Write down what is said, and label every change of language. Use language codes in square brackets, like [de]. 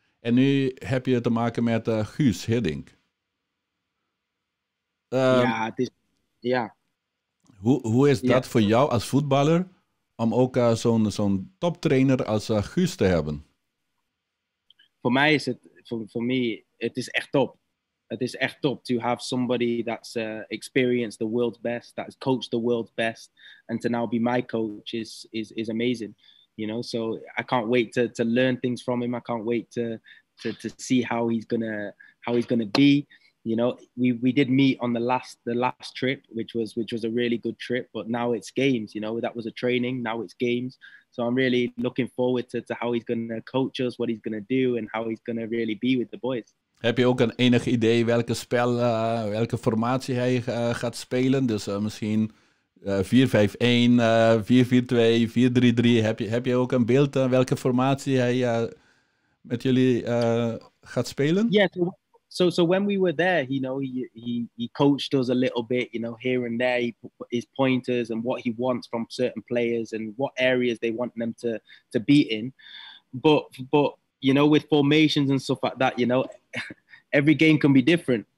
[nl] En nu heb je te maken met Guus Hiddink. Ja. Hoe is dat voor jou als voetballer om ook zo'n toptrainer als Guus te hebben? Voor mij is het is echt top. Het is echt top [en] to have somebody that's experienced the world's best, that's coached the world's best, and to now be my coach is amazing. You know, so I can't wait to learn things from him. I can't wait to see how he's gonna be. You know, we did meet on the last trip, which was a really good trip. But now it's games. You know, that was a training. Now it's games. So I'm really looking forward to how he's going to coach us, what he's going to do, and how he's going to really be with the boys. [nl] Heb je ook een enig idee welke spel, welke formatie hij gaat spelen? Dus misschien 4-5-1, 4-4-2, 4-3-3. Heb je ook een beeld welke formatie hij met jullie gaat spelen? [en] So when we were there, you know, he coached us a little bit, you know, here and there, his pointers and what he wants from certain players and what areas they want them to be in. But you know, with formations and stuff like that, you know, every game can be different.